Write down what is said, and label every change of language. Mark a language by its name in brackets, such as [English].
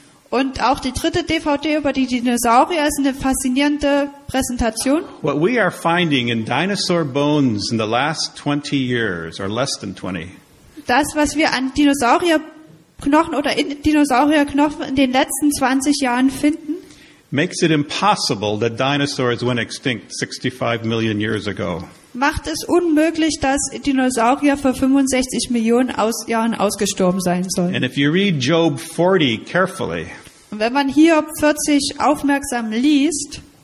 [German] Und auch die dritte DVD über die Dinosaurier ist eine faszinierende Präsentation. [English] What we are finding in dinosaur bones in the last 20 years or less than 20. [German] Das, was wir an Dinosaurierknochen oder in Dinosaurierknochen in den letzten 20 Jahren finden, [English] makes it impossible that dinosaurs went extinct 65 million years ago. [German] Macht es unmöglich, dass Dinosaurier vor 65 Millionen Jahren ausgestorben sein sollen. [English] And if you read Job 40 carefully, [German] und wenn man Hiob 40 aufmerksam liest,